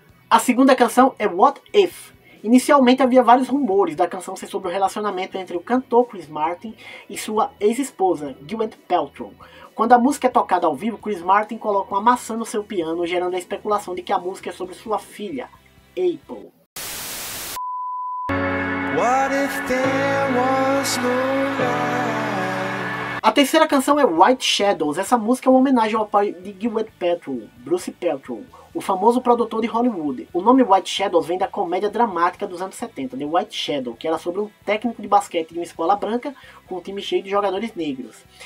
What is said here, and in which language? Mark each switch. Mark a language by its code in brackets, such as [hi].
[pt] A segunda canção é What If. Inicialmente havia vários rumores da canção ser sobre o relacionamento entre o cantor Chris Martin e sua ex-esposa, Gwyneth Paltrow. Quando a música é tocada ao vivo, Chris Martin coloca uma maçã no seu piano, gerando a especulação de que a música é sobre sua filha, April. [en] What if there was no life? [pt] A terceira canção é White Shadows. Essa música é uma homenagem ao pai de Gwyneth Paltrow, Bruce Paltrow, o famoso produtor de Hollywood. O nome White Shadows vem da comédia dramática dos anos 70, The White Shadow, que era sobre um técnico de basquete de uma escola branca com um time cheio de jogadores negros.